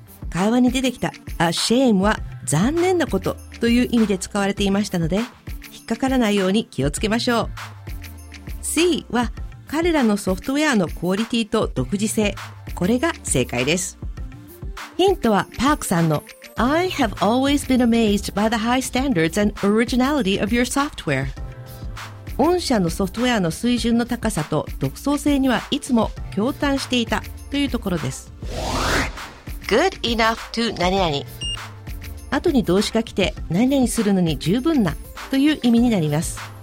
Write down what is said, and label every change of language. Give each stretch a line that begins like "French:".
Japanese: 会話に出てきた ashame は残念なことという意味で使われていましたので、引っかからないように気をつけましょう。 C は彼らのソフトウェアのクオリティと独自性、これが正解です。ヒントはパークさんの
English: I have always been amazed by the high standards and originality of your software。
Japanese: 御社のソフトウェアの水準の高さと独創性にはいつも驚嘆していたというところです。
English: Good enough to 何
Japanese: 々、後に動詞が来て何々するのに十分なという意味になります。